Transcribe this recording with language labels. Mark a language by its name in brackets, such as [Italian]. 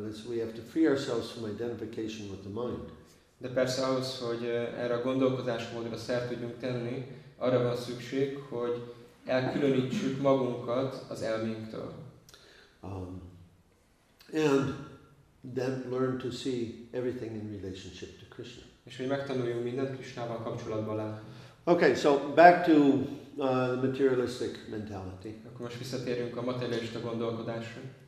[English] We have to free ourselves from identification with the mind. [Hungarian] De persze ahhoz, hogy erre a gondolkodásmódra szert tudjunk tenni, arra van szükség, hogy elkülönítsük magunkat az elménktől. [English] And then learn to see everything in relationship to Krishna. [Hungarian] És hogy megtanuljunk mindent Krishnával kapcsolatban le. [English] Okay, so back to the materialistic mentality. [Hungarian] Akkor most visszatérünk a materialista gondolkodásra.